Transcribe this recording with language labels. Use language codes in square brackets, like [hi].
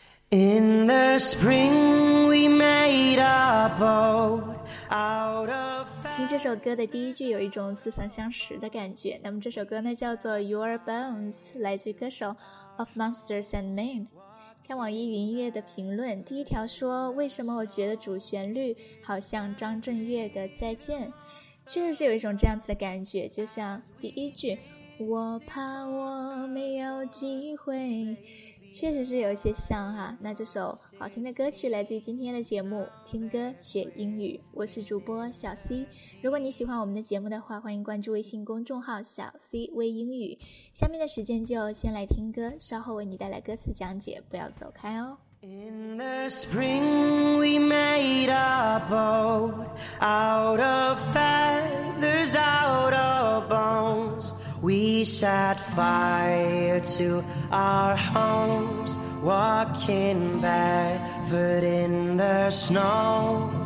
[en] In the spring we made a boat out of fashion. [zh] 听这首歌的第一句有一种似曾相识的感觉，那么这首歌呢叫做 Your Bones， 来自歌手 Of Monsters and Men。看网易云音乐的评论，第一条说，为什么我觉得主旋律好像张震岳的再见，确实是有一种这样子的感觉，就像第一句，我怕我没有机会，确实是有一些像哈。那这首好听的歌曲来自于今天的节目听歌学英语，我是主播小 C。如果你喜欢我们的节目的话，欢迎关注微信公众号小 C 微英语。下面的时间就先来听歌，稍后为你带来歌词讲解，不要走开哦。 [en] In the spring we made a boat out of feathers, out of bones. We set fire to our homes, walking barefoot in the snow.